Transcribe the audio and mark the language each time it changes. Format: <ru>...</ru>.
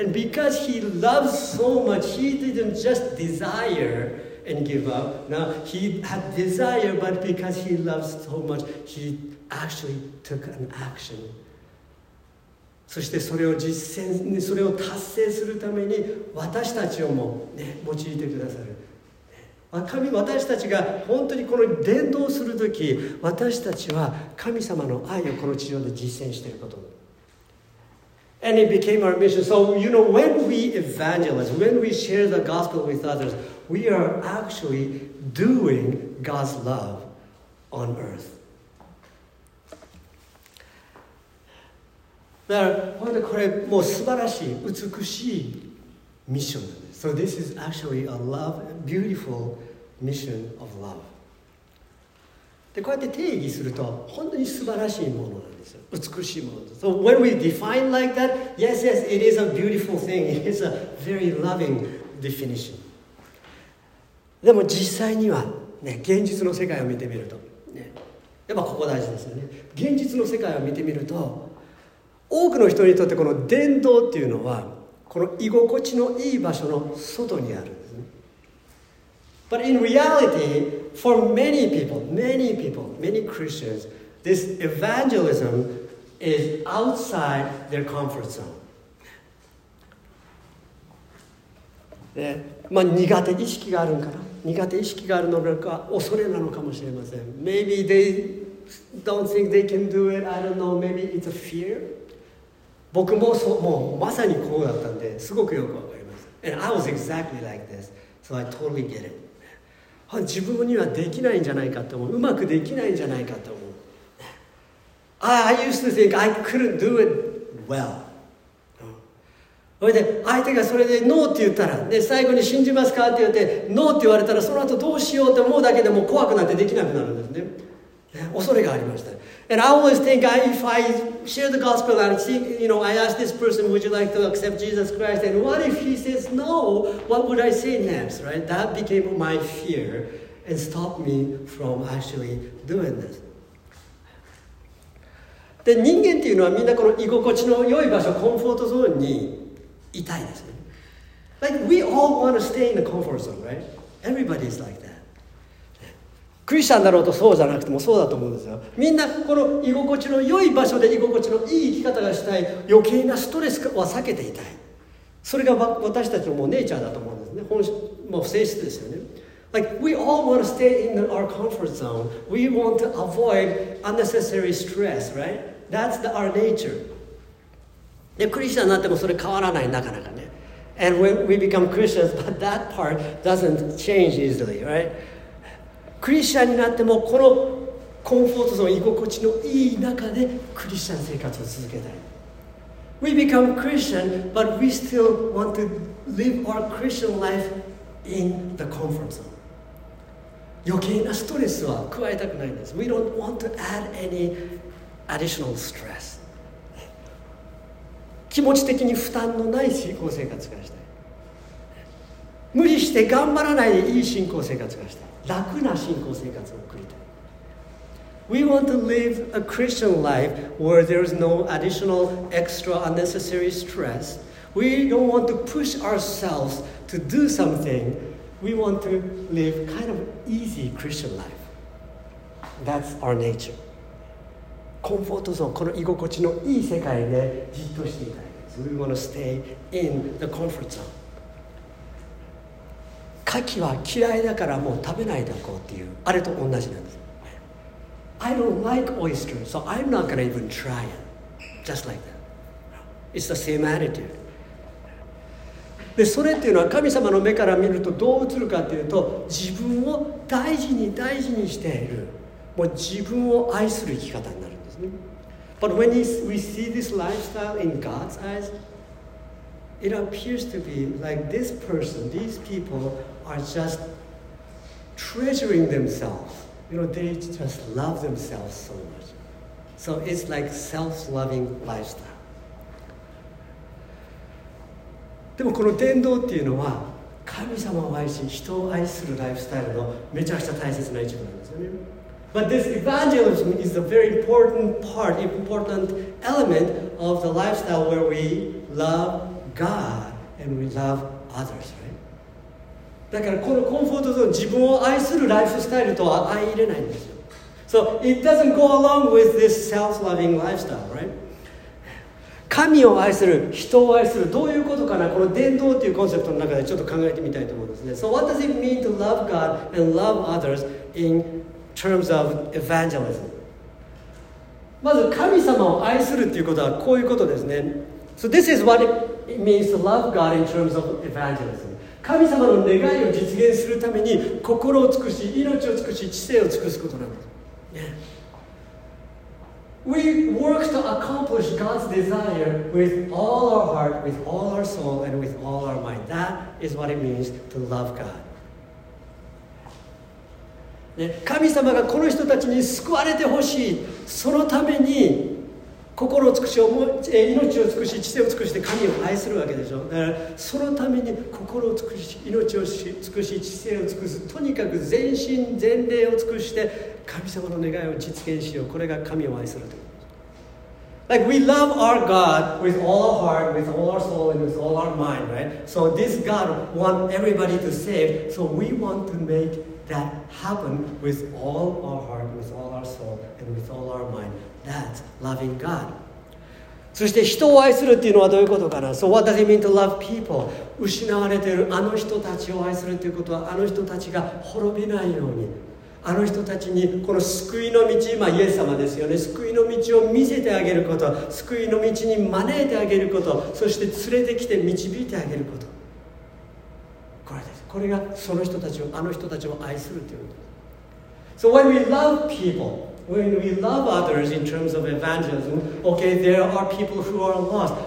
<en>And because He loves so much, He didn't just desire. And give up. Now he had desire, but because he loves so much, he actually took an action.</en> <ja>そしてそれを実践、それを達成するために私たちをもね用いてくださる。神、私たちが本当にこの伝道するとき、私たちは神様の愛をこの地上で実践していること。</ja> <en>And it became our mission. So you know, when we evangelize, when we share the gospel with others. We are actually doing God's love on earth.</en> <ja>だから、本当これもう素晴らしい、美しいミッションなんです。</ja> <en>So this is actually a love, beautiful mission of love.</en> <ja>で、こうやって定義すると、本当に素晴らしいものなんですよ。美しいものです。</ja> <en>So when we define like that, yes, yes, it is a beautiful thing. It is a very loving definition.</en> <ja>でも実際には、ね、現実の世界を見てみると、ね、やっぱここ大事ですよね。現実の世界を見てみると、多くの人にとってこの伝道っていうのは、この居心地のいい場所の外にあるんですね。</ja> <en>But in reality, for many people, many people, many Christians, this evangelism is outside their comfort zone.</en> <ja>ね、まあ苦手意識があるんかな、苦手意識があるのか恐れなのかもしれません。</ja> <en>Maybe they don't think they can do it. I don't know. Maybe it's a fear.</en> <ja>僕もそう、もうまさにこうだったんで、すごくよくわかります。</ja> <en>And I was exactly like this, so I totally get it.</en> <ja>自分にはできないんじゃないかと思う、うまくできないんじゃないかと思う。</ja> <en>I used to think I couldn't do it well.</en> <ja>それで相手がそれでノーって言ったら、で最後に信じますかって言ってノーって言われたら、その後どうしようって思うだけでも怖くなってできなくなるんですね。恐れがありました。</ja> <en>And I always think if I share the gospel and see, you know, I ask this person, would you like to accept Jesus Christ? And what if he says no? What would I say next? Right? That became my fear and stopped me from actually doing this.</en> <ja>で人間っていうのはみんなこの居心地の良い場所、コンフォートゾーンに痛いですね。</ja> <en>Like we all want to stay in the comfort zone, right? Everybody is like that.</en> <ja>クリスチャンだろうとそうじゃなくてもそうだと思うんですよ。みんなこの居心地の良い場所で居心地の良い生き方がしたい。余計なストレスは避けていたい。それが私たちのもうネイチャーだと思うんですね。本質、もう性質ですよね。</ja> <en>Like, we all want to stay in our comfort zone. We want to avoid unnecessary stress, right? That's our nature.</en> <ja>で、クリスチャンになってもそれ変わらない、なかなかね。</ja> <en>And when we become Christians, but that part doesn't change easily, right?</en> <ja>クリスチャンになってもこのコンフォートゾーン居心地のいい中でクリスチャン生活を続けたい。</ja> <en>We become Christian, but we still want to live our Christian life in the comfort zone.</en> <ja>余計なストレスは加えたくないんです。</ja> <en>We don't want to add any additional stress.</en> <ja>気持ち的に負担のない信仰生活がしたい。無理して頑張らないでいい信仰生活がしたい。楽な信仰生活を送りたい。</ja> <en>We want to live a Christian life where there is no additional, extra, unnecessary stress. We don't want to push ourselves to do something. We want to live kind of easy Christian life. That's our nature.</en> <ja>コンフォートゾーン、この居心地のいい世界でじっとしていたいです。</ja> <en>We want to stay in the comfort zone.</en> <ja>カキは嫌いだからもう食べないでおこうっていうあれと同じなんです。</ja> <en>I don't like oysters, so I'm not gonna even try it. Just like that. It's the same attitude.</en> <ja>で、それっていうのは神様の目から見るとどう映るかっていうと、自分を大事に大事にしている、もう自分を愛する生き方になるんですね。</ja> <en>But when we see this lifestyle in God's eyes,It appears to be like this person, these people are just treasuring themselves. You know, they just love themselves so much. So it's like self-loving lifestyle.</en> <ja>でもこの伝道っていうのは神様を愛し人を愛するライフスタイルのめちゃくちゃ大切な一部なんですよね。</ja> <en>But this evangelism is a very important part, important element of the lifestyle where we love. God and we love others, right?</en> <ja>だからこのコンフォートゾーン自分を愛するライフスタイルとは相入れないんですよ。</ja> <en>So it doesn't go along with this self-loving lifestyle, right?</en> <ja>神を愛する、人を愛する、どういうことかな？この伝道というコンセプトの中でちょっと考えてみたいと思うんですね。</ja> <en>So what does it mean to love God and love others in terms of evangelism?</en> <ja>まず神様を愛するということはこういうことですね。</ja> <en>So this is what it means to love God in terms of evangelism.</en> <ja>神様の願いを実現するために心を尽くし、命を尽くし、知性を尽くすことなんです。</ja> <en>Yeah. We work to accomplish God's desire with all our heart, with all our soul, and with all our mind. That is what it means to love God.</en> <ja>神様がこの人たちに救われてほしい、そのために心を尽くし、命を尽くし、知性を尽くして神を愛するわけでしょ。だからそのために心を尽くし、命を尽くし、知性を尽くす、とにかく全身全霊を尽くして神様の願いを実現しよう。これが神を愛するということ。</ja> <en>Like we love our God with all our heart, with all our soul, and with all our mind, right? So this God wants everybody to save, so we want to make that happen with all our heart, with all our soul, and with all our mind. That's loving God.</en> <ja>そして人を愛するっていうのはどういうことかな。</ja> <en>So what does it mean to love people?</en> <ja>失われているあの人たちを愛するということはあの人たちが滅びないようにあの人たちにこの救いの道、今イエス様ですよね、救いの道を見せてあげること、救いの道に招いてあげること、そして連れてきて導いてあげること、これです。これがその人たちを、あの人たちを愛するということ。</ja> <en>So when we love peopleWhen we love others in terms of evangelism, okay, there are people who are lost.</en>